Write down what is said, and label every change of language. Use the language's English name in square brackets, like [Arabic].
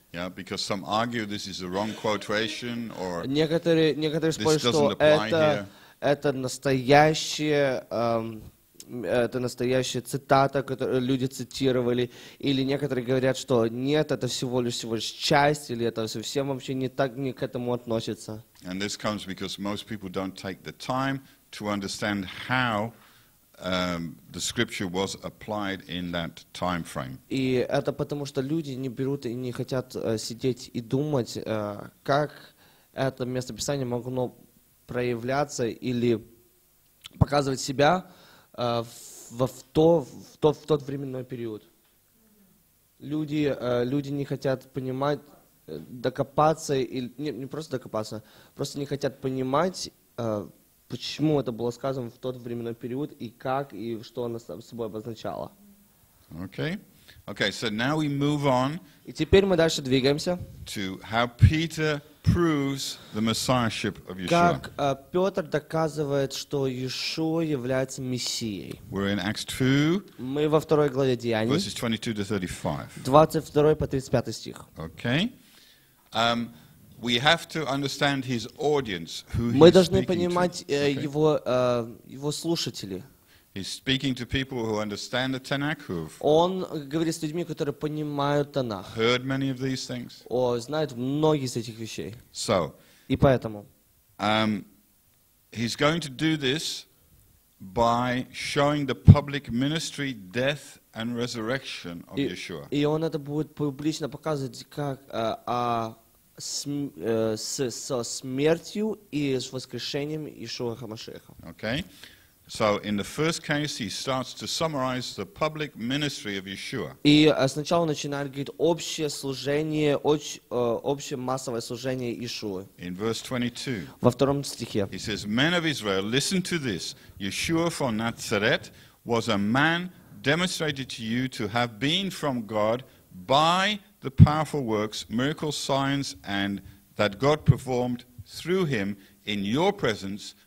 [English] Yeah, because some argue this is a wrong quotation or [Russian] некоторые спорят, что это настоящее это настоящая цитата, которую люди цитировали, или некоторые говорят, что нет, это всего лишь часть, или это совсем вообще не так не к этому относится. [English] And this comes because most people don't take the time to understand how the scripture was applied in that time frame. [Russian] И это потому, что люди не берут и не хотят сидеть и думать, как это место Писания могло проявляться или показывать себя в тот временной период. Люди не хотят понимать, докопаться, или не просто докопаться, просто не хотят понимать, почему это было сказано в тот временной период, и как, и что оно собой обозначало. [English] Okay. Okay, so now we move on. [Russian] И теперь мы дальше двигаемся. [English] To how Peter proves the messiahship of Yeshua. [Russian] Как Петр доказывает, что Иешуа является мессией. [English] We're in Acts 2. [Russian] Мы во второй главе Деяний. [English] Verses 22-35. [Russian] 22 по 35 стих. [English] Okay. We have to understand his audience, who [Russian] мы должны понимать его слушателей. [English] He's speaking to people who understand the Tanakh, who've [Russian] он говорит с людьми, которые понимают Танах. [English] Heard many of these things. [Russian] О, знают многие из этих вещей. [English] So, [Russian] и поэтому [English] he's going to do this by showing the public ministry, death and resurrection of Yeshua. [Russian] И он это будет публично показывать как со смертью и с воскрешением Иешуа Хамашеха. [English] Okay. So in the first case, he starts to summarize the public ministry of Yeshua. [Russian] И сначала начинает говорить общее служение, общее массовое служение Иешуа. [English] In verse 22. [Russian] Во втором стихе. [English] He says, "Men of Israel, listen to this. Yeshua from Nazareth was a man demonstrated to you to have been from God by the powerful works, miracles, signs, and that God performed through him in your presence."